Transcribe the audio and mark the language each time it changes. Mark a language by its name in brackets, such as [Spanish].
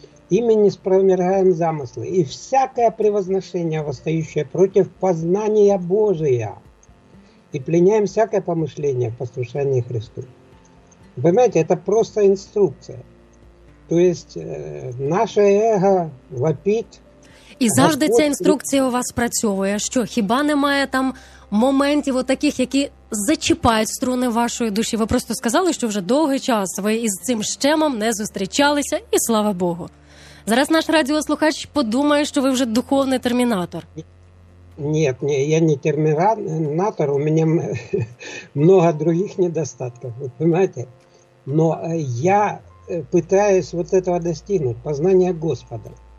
[Russian] Ими не спровергаем замыслы, и всякое превозношение, восстающее против познания Божия, и пленяем всякое помышление в послушании Христу». Понимаете, это просто инструкция. То есть наше эго вопит. [Ukrainian] І завжди Господь... ця інструкція у вас працьовує. Що, хіба немає там моментів отаких, які зачіпають струни вашої душі? Ви просто сказали, що вже довгий час ви із цим щемом не зустрічалися, і слава Богу. Зараз наш радіослухач подумає, що ви вже духовний термінатор. Ні, я не термінатор, у мене багато інших недостатків, ви розумієте? [Russian] Но я пытаюсь вот этого достигнуть, познания Господа.